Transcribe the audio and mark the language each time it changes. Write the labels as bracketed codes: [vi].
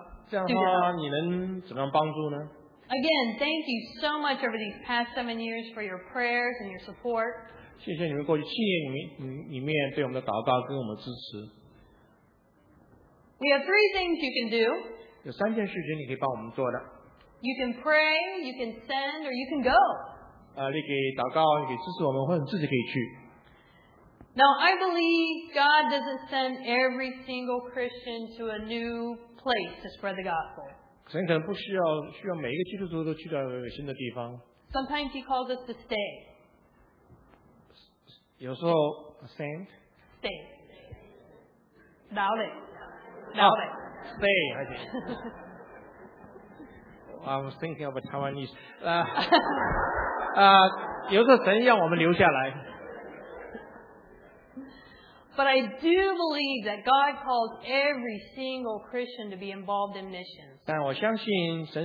[zh] 这样的话你能怎么样帮助呢? [en] Again, thank you so much over these past 7 years for your prayers and your support. [zh] 谢谢你们过去七年里面对我们的祷告跟我们支持。 [en] We have 3 things you can do. [zh] 有3件事情你可以帮我们做的。 [en] You can pray, you can send, or you can go. [zh] 你可以祷告，你可以支持我们，或者你自己可以去。 [en] Now, I believe God doesn't send every single Christian to a new place to spread the gospel. Sometimes He calls us to stay. [zh] 有时候, send? [en] Stay. [zh] 留着。 [en] Stay, I think. I was thinking of a Taiwanese. [zh] 有时候神要我们留下来。 [en] But I do believe that God calls every single Christian to be involved in missions.